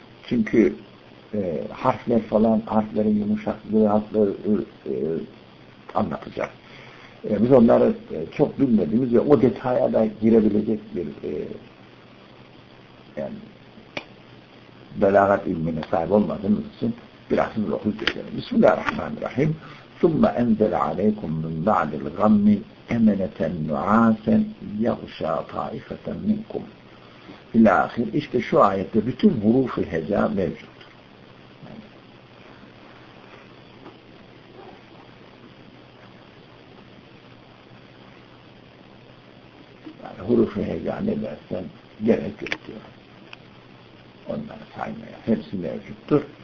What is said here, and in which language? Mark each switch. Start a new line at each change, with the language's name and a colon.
Turkish: Çünkü harfler falan, harflerin yumuşaklığı, harfleri anlatacak. Biz onları çok bilmediğimiz ve o detaya da girebilecek bir yani belagat ilmine sahip olmadığınız için biraz şimdi okuyup geçelim. Bismillahirrahmanirrahim.
Arabic: ثُمَّ اَنْزَلَ عَلَيْكُمْ مِنْ بَعْدِ الْغَمِّ اَمَنَةً نُعَاسًا يَغْشَى طَائِفَةً مِنْكُمْ İlâhîr.
Turkish: İşte şu ayette bütün huruf-ı heca mevcut. Yani huruf-ı heca ne dersen gerek yok diyor. Onları saymaya. Hepsi mevcuttur.